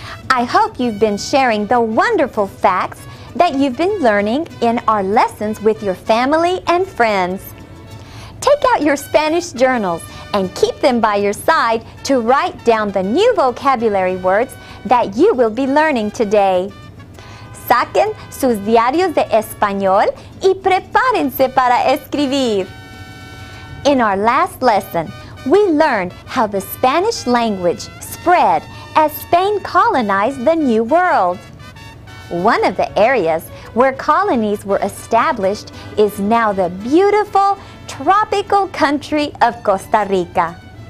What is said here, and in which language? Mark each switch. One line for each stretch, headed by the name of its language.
English: I hope you've been sharing the wonderful facts that you've been learning in our lessons with your family and friends. Take out your Spanish journals and keep them by your side to write down the new vocabulary words that you will be learning today.
Spanish: Saquen sus diarios de español y prepárense para escribir.
English: In our last lesson, we learned how the Spanish language spread as Spain colonized the New World. One of the areas where colonies were established is now the beautiful tropical country of Costa Rica.